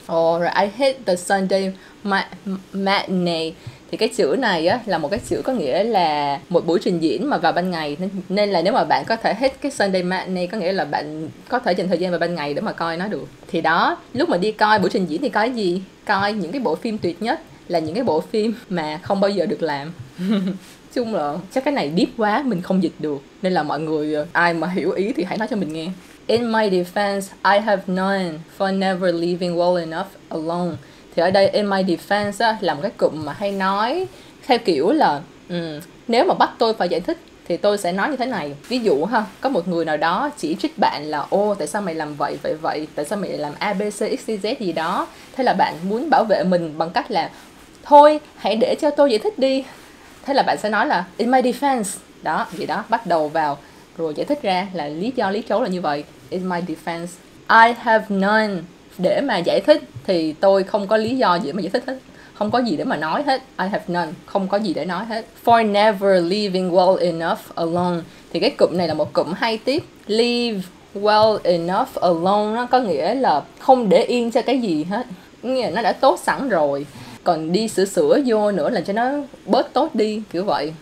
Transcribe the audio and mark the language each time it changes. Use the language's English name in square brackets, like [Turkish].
[Vietnamese] Rồi [English] I hit the Sunday matinee, [Vietnamese] thì cái chữ này á là một cái chữ có nghĩa là một buổi trình diễn mà vào ban ngày, nên là nếu mà bạn có thể hết cái Sunday matinee, có nghĩa là bạn có thể dành thời gian vào ban ngày để mà coi nó được. Thì đó, lúc mà đi coi buổi trình diễn thì coi gì? Coi những cái bộ phim tuyệt nhất là những cái bộ phim mà không bao giờ được làm. Chung là chắc cái này deep quá mình không dịch được, nên là mọi người ai mà hiểu ý thì hãy nói cho mình nghe. [English] In my defense, I have known for never leaving well enough alone. [Vietnamese] Thì ở đây [English] in my defense [Vietnamese] á, là một cái cụm mà hay nói theo kiểu là nếu mà bắt tôi phải giải thích thì tôi sẽ nói như thế này. Ví dụ ha, có một người nào đó chỉ trích bạn là ô tại sao mày làm vậy vậy vậy, tại sao mày làm A, B, C, X, Y, Z gì đó. Thế là bạn muốn bảo vệ mình bằng cách là thôi hãy để cho tôi giải thích đi. Thế là bạn sẽ nói là [English] in my defense. [Vietnamese] Đó, gì đó, bắt đầu vào rồi giải thích ra là lý do lý trấu là như vậy. [English] In my defense, I have none. [Vietnamese] Để mà giải thích thì tôi không có lý do gì mà giải thích hết, không có gì để mà nói hết. [English] I have none, [Vietnamese] không có gì để nói hết. [English] For never leaving well enough alone, [Vietnamese] thì cái cụm này là một cụm hay tiếp. [English] Leave well enough alone [Vietnamese] nó có nghĩa là không để yên cho cái gì hết, nghĩa là nó đã tốt sẵn rồi, còn đi sửa sửa vô nữa là cho nó bớt tốt đi, kiểu vậy.